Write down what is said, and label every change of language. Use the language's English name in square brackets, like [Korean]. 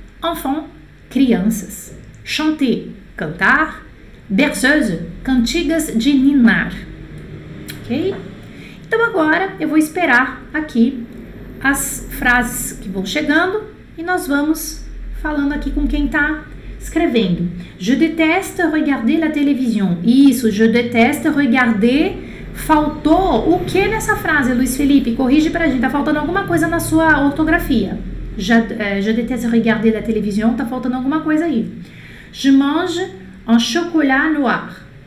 [Portuguese] Enfant, crianças. Chanter, cantar. Berceuse, cantigas de ninar. Ok? Então agora eu vou esperar aqui as frases que vão chegando e nós vamos falando aqui com quem está escrevendo. [French] Je déteste regarder la télévision. Isso, je déteste regarder. [Portuguese] Faltou o que nessa frase, Luiz Felipe? Corrige pra gente, tá faltando alguma coisa na sua ortografia. [French] Je déteste regarder la télévision, [Portuguese] tá faltando alguma coisa aí. [French] Je mange un chocolat noir.